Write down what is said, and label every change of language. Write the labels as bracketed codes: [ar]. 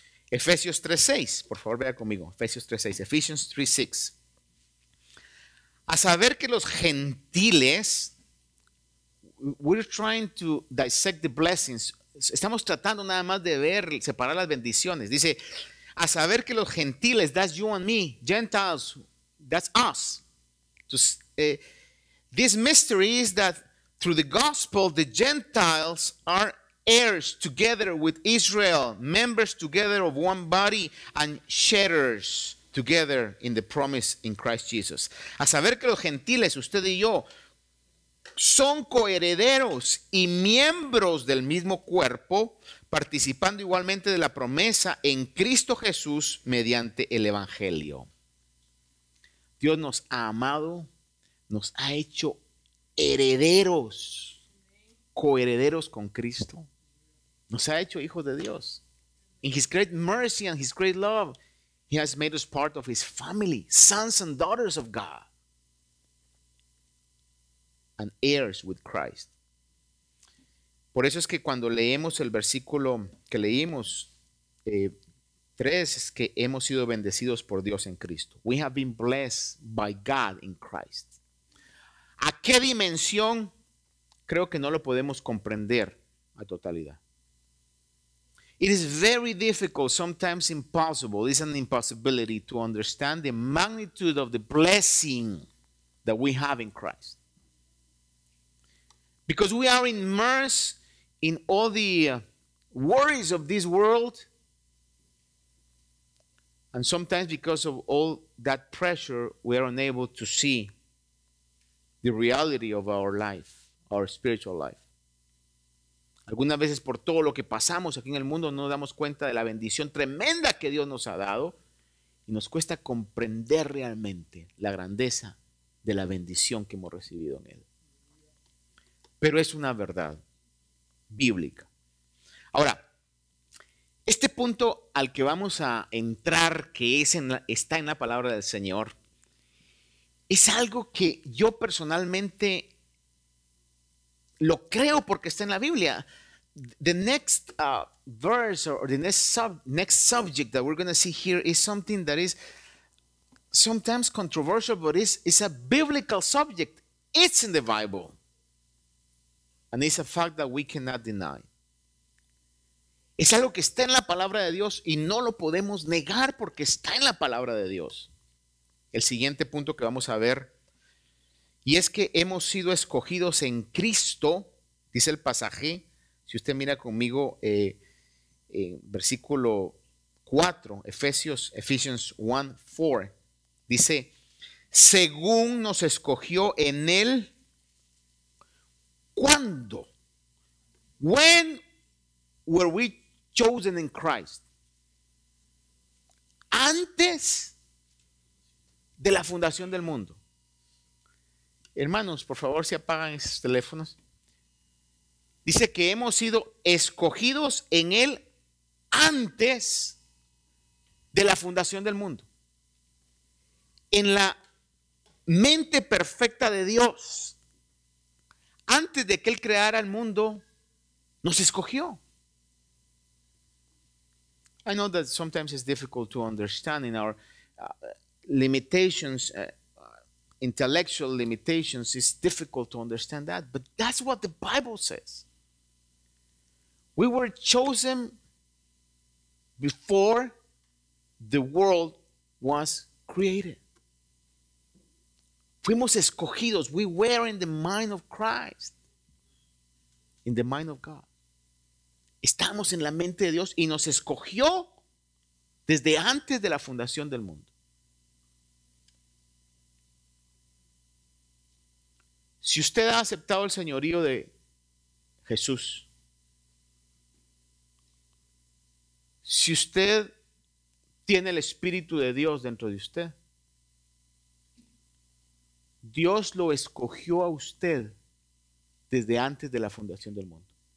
[es] Efesios 3:6, por favor vea conmigo, Efesios 3:6. A saber que los gentiles, [en] we're trying to dissect the blessings, [es] estamos tratando nada más de ver, separar las bendiciones. Dice, a saber que los gentiles, [en] that's you and me, Gentiles, that's us. This mystery is that through the gospel, the Gentiles are heirs together with Israel, members together of one body, and sharers together in the promise in Christ Jesus. [es] A saber que los gentiles, usted y yo, son coherederos y miembros del mismo cuerpo, participando igualmente de la promesa en Cristo Jesús mediante el Evangelio. Dios nos ha amado, nos ha hecho herederos, coherederos con Cristo. Nos ha hecho hijos de Dios. [en] In His great mercy and His great love, He has made us part of His family, sons and daughters of God, and heirs with Christ. [es] Por eso es que cuando leemos el versículo que leímos, 3, es que hemos sido bendecidos por Dios en Cristo. [en] We have been blessed by God in Christ. [es] ¿A qué dimensión? Creo que no lo podemos comprender a totalidad. [en] It is very difficult, sometimes impossible, it's an impossibility to understand the magnitude of the blessing that we have in Christ. Because we are immersed in all the worries of this world, and sometimes because of all that pressure, we are unable to see the reality of our life, our spiritual life. [es] Algunas veces por todo lo que pasamos aquí en el mundo no damos cuenta de la bendición tremenda que Dios nos ha dado y nos cuesta comprender realmente la grandeza de la bendición que hemos recibido en Él. Pero es una verdad bíblica. Ahora, este punto al que vamos a entrar, que es en la, está en la palabra del Señor, es algo que yo personalmente lo creo porque está en la Biblia. [en] The next verse or the next subject that we're going to see here is something that is sometimes controversial, but it's a biblical subject. It's in the Bible. And it's a fact that we cannot deny. [es] Es algo que está en la palabra de Dios y no lo podemos negar porque está en la palabra de Dios. El siguiente punto que vamos a ver, y es que hemos sido escogidos en Cristo, dice el pasaje. Si usted mira conmigo, versículo 4, Ephesians 1, 4, dice, según nos escogió en Él, ¿cuándo? [en] When were we chosen in Christ? [es] Antes de la fundación del mundo. Hermanos, por favor, si apagan esos teléfonos. Dice que hemos sido escogidos en Él antes de la fundación del mundo. En la mente perfecta de Dios, antes de que Él creara el mundo, nos escogió. [en] I know that sometimes it's difficult to understand in our limitations, intellectual limitations, it's difficult to understand that, but that's what the Bible says. We were chosen before the world was created. [es] Fuimos escogidos. [en] We were in the mind of Christ. In the mind of God. [es] Estamos en la mente de Dios y nos escogió desde antes de la fundación del mundo. Si usted ha aceptado el señorío de Jesús, si usted tiene el Espíritu de Dios dentro de usted, Dios lo escogió a usted desde antes de la fundación del mundo.